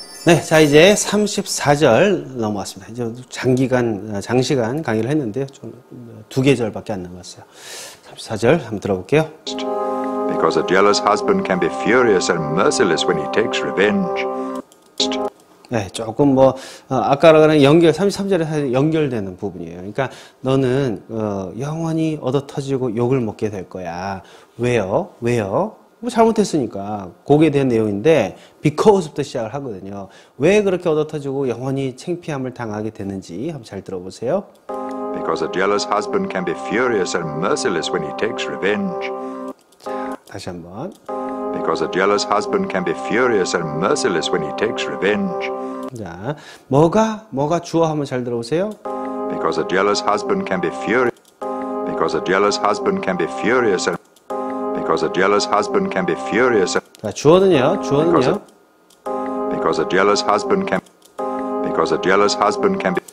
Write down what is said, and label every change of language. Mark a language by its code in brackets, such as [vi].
[ko] 네, 자, 이제 34절 넘어왔습니다. 이제 장시간 강의를 했는데요. 좀두 계절밖에 안 남았어요. 34절 한번 들어볼게요. [en] Because a jealous husband can be furious and merciless when he takes revenge. [ko] 네, 조금 뭐, 아까랑 연결, 33절에 연결되는 부분이에요. 그러니까 너는, 영원히 얻어 터지고 욕을 먹게 될 거야. 왜요? 왜요? 뭐 잘못했으니까 거기에 대한 내용인데 because부터 시작을 하거든요. 왜 그렇게 얻어터지고 영원히 창피함을 당하게 되는지 한번 잘 들어보세요. [en] Because a jealous husband can be furious and merciless when he takes revenge. [ko] 다시 한번. [en] Because a jealous husband can be furious and merciless when he takes revenge. [ko] 자, 뭐가 주어 한번 잘 들어보세요. [en] Because a jealous husband can be furious. Because a jealous husband can be furious. Because a jealous husband can be furious. [ko] 자, 주어는요, [en] Because a �ealous husband can. Because a jealous husband can be.